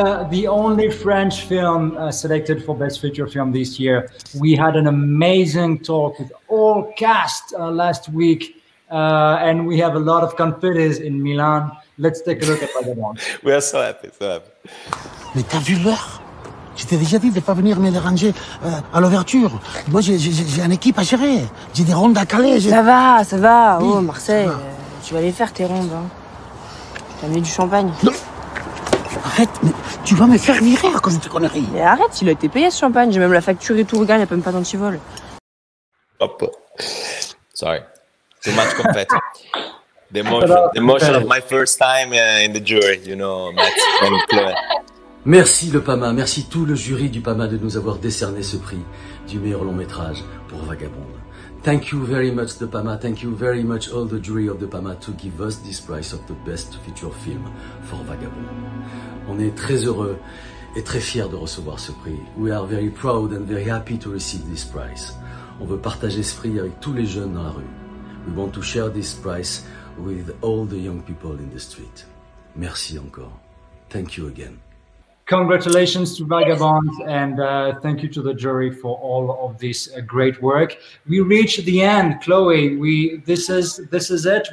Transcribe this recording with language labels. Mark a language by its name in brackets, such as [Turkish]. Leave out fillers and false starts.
[English] the only French film selected for Best Feature Film this year. We had an amazing talk with all cast last week, and we have a lot of confettis in Milan. Let's take a look at Vagabonds. We are so happy, so happy. [French] Mais t'as vu l'heure? Je t'ai déjà dit de pas venir me déranger à l'ouverture. Moi, j'ai une équipe à gérer. J'ai des rondes à caler. Ça va, ça va. Oh, Marseille, tu vas aller faire tes rondes. Hein. T'as mis du champagne. Non. Arrête, mais tu vas me faire virer à cause de tes conneries. Mais arrête, il a été payé ce champagne. J'ai même la facture et tout. Regarde, il n'y a même pas d'antivol. [English] Hop. Sorry. Too much confetti. The emotion of my first time in the jury, you know, Max. [French] Merci le PAMA, merci tout le jury du PAMA de nous avoir décerné ce prix du meilleur long métrage pour Vagabonde. [English] Thank you very much the PAMA, thank you very much all the jury of the PAMA to give us this prize of the best feature film for Vagabonde. [French] On est très heureux et très fiers de recevoir ce prix. [English] We are very proud and very happy to receive this prize. [French] On veut partager ce prix avec tous les jeunes dans la rue. [English] We want to share this prize with all the young people in the street. [French] Merci encore. [English] Thank you again. Congratulations to Vagabonds, and thank you to the jury for all of this great work. We reached the end, Chloe. This is it.